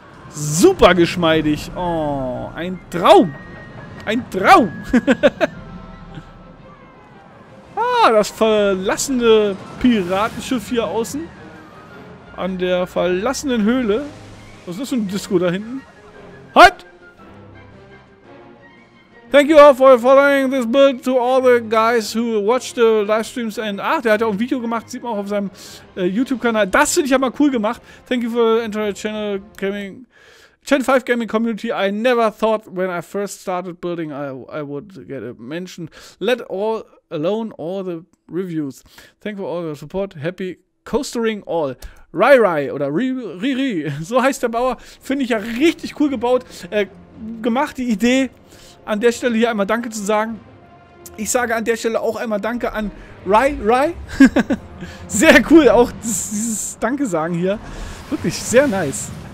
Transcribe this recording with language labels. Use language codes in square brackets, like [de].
[de] Super geschmeidig. Oh, ein Traum. Ein Traum. Ah, das verlassene Piratenschiff hier außen. An der verlassenen Höhle. Was ist das für ein Disco da hinten? Halt! [en] Thank you all for following this build. To all the guys who watched the live streams and... [de] Ach, der hat ja auch ein Video gemacht. Sieht man auch auf seinem YouTube-Kanal. Das finde ich ja mal cool gemacht. [en] Thank you for the entire channel gaming... Gen 5 Gaming Community, I never thought when I first started building I would get a mention, let all alone all the reviews. Thank you for all your support. Happy coastering all. [de] Rai Rai oder Riri, ri, ri. So heißt der Bauer. Finde ich ja richtig cool gebaut. Gemacht, die Idee. An der Stelle hier einmal Danke zu sagen. Ich sage an der Stelle auch einmal Danke an Rai Rai. Sehr cool, auch dieses Danke sagen hier. Wirklich sehr nice.